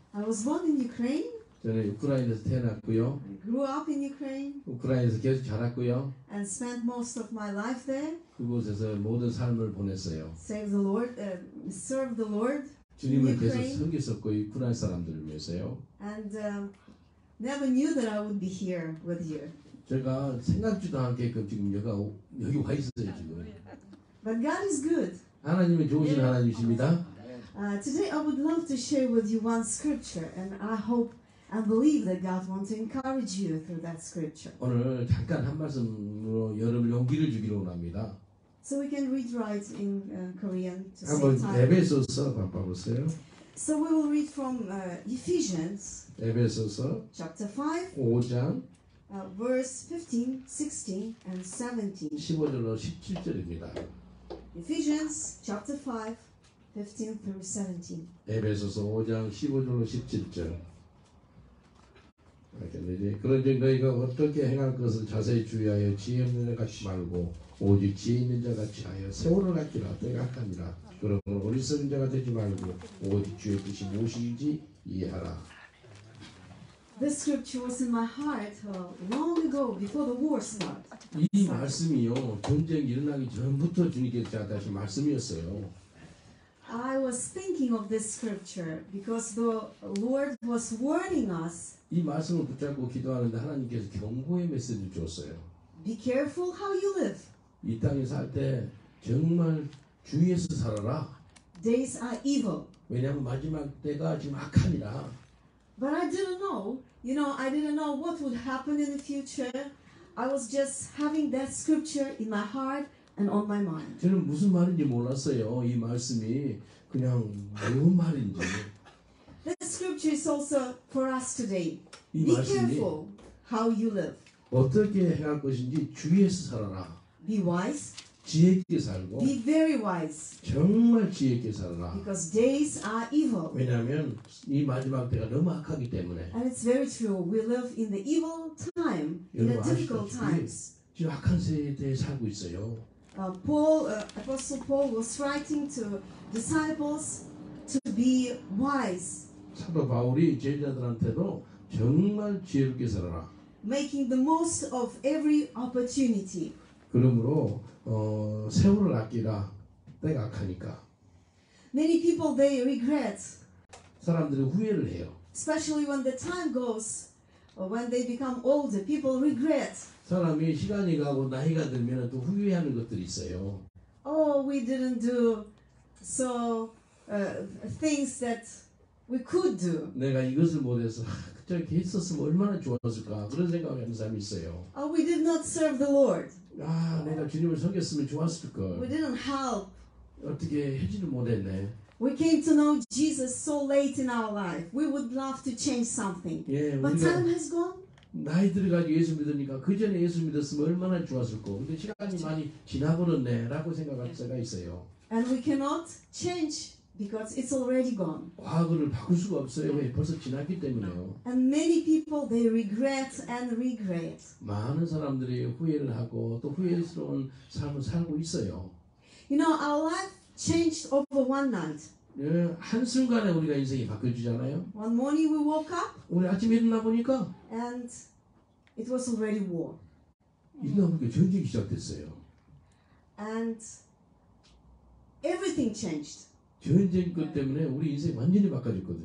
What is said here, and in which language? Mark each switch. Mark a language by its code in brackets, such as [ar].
[en] I was born in Ukraine. [ko] 저는 우크라이나에서 태어났고요. [en] I grew up in Ukraine. [ko] 우크라이나에서 계속 자랐고요. [en] And spent most of my life there. [ko] 그곳에서 모든 삶을 보냈어요. [en] Save the Lord, serve the Lord. [ko] 주님을 계속 섬겼었고 우크라이나 사람들을 위해서요. [en] And never knew that I would be here with you. [ko] 제가 생각지도 않게끔 지금 여기가 여기 와 있어요 지금. [en] But God is good. [ko] 하나님은 좋으신 하나님이십니다. [en] Today I would love to share with you one scripture, and I hope and believe that God wants to encourage you through that scripture. [ko] 오늘 잠깐 한 말씀으로 여러분 용기를 주기로 합니다. [en] So we can read right in Korean. [ko] 한번 에베소서 한번 보세요. [en] So we will read from Ephesians. [ko] 에베소서. [en] Chapter 5. [ko] 5장. [en] Verse 15, 16, and 17. [ko] 15절로 17절입니다. [en] Ephesians chapter 5, 15 through 17. [ko] 에베소서 5장 15절로 17절. 알겠는지? 그런즉 너희가 어떻게 행할 것을 자세히 주의하여 지혜 있는 자 같이 말고 오직 지혜 있는 자 같이 하여 세월을 갖기라 때가 악하니라. 그러므로 어리석은 자가 되지 말고 오직 주의 뜻이 무엇인지 이해하라. [en] This scripture was in my heart long ago before the war started. [ko] 이 말씀이요 전쟁 일어나기 전부터 주님께서 제가 다시 말씀이었어요. [en] I was thinking of this scripture because the Lord was warning us. [ko] 이 말씀을 붙잡고 기도하는데 하나님께서 경고의 메시지를 주었어요. [en] Be careful how you live. [ko] 이 땅에 살 때 정말 주의해서 살아라. [en] Days are evil. [ko] 왜냐하면 마지막 때가 지금 악하니라. [en] But I didn't know, you know, I didn't know what would happen in the future. I was just having that scripture in my heart and on my mind. [ko] 저는 무슨 말인지 몰랐어요. 이 말씀이 그냥 무슨 말인지. [en] This scripture is also for us today. Be [ko] 말씀이, [en] careful how you live. [ko] 어떻게 행할 것인지 주의해서 살아라. [en] Be wise. [ko] 지혜 있게 살고. [en] Be very wise. [ko] 정말 지혜 있게 살아라. [en] Because days are evil. [ko] 왜냐하면 이 마지막 때가 너무 악하기 때문에. [en] And it's very true. We live in the evil time, in the difficult times. [ko] 지금 악한 세대에 살고 있어요. [en] Apostle Paul was writing to disciples to be wise. [ko] 사도 바울이 제자들한테도 정말 지혜롭게 살아라. [en] Making the most of every opportunity. [ko] 그러므로 세월을 아끼라 때가 악하니까. [en] Many people they regret. [ko] 사람들이 후회를 해요. [en] Especially when the time goes, or when they become older, people regret. [ko] 사람이 시간이 가고 나이가 들면 또 후회하는 것들이 있어요. [en] Oh, we didn't do so things that we could do. [ko] 내가 이것을 못해서 그때 있었으면 얼마나 좋았을까 그런 생각을 하는 사람이 있어요. [en] Oh, we did not serve the Lord. [ko] 아, 내가 주님을 섬겼으면 좋았을 걸. [en] We didn't help. [ko] 어떻게 해지는 못했네. [en] We came to know Jesus so late in our life. We would love to change something. [ko] 예, [en] but time has gone. [ko] 나이 들어가지고 예수 믿으니까 그 전에 예수 믿었으면 얼마나 좋았을 거. 근데 시간이 많이 지나버렸네라고 생각할 때가 있어요. [en] And we cannot change because it's already gone. [ko] 과거를 바꿀 수가 없어요. 왜? 벌써 지났기 때문에요. [en] And many people they regret and regret. [ko] 많은 사람들이 후회를 하고 또 후회스러운 삶을 살고 있어요. [en] You know, our life changed over one night. [ko] 예, 한 순간에 우리가 인생이 바뀌어지잖아요. [en] One morning we woke up. [ko] 우리 아침에 일어나 보니까 [en] and it was already war. [ko] 일어나 보니까 전쟁이 시작됐어요. [en] And everything changed. [ko] 전쟁 것 때문에 우리 인생 완전히 바뀌었거든요.